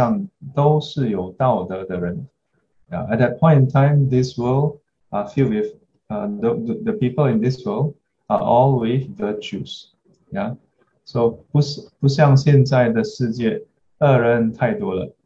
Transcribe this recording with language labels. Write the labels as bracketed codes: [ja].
[zh] 那时候这个世界上都是有道德的人. Yeah. [en] At that point in time, this world are filled with the people in this world are all with virtues. Yeah. [zh] So 不像现在的世界恶人太多了.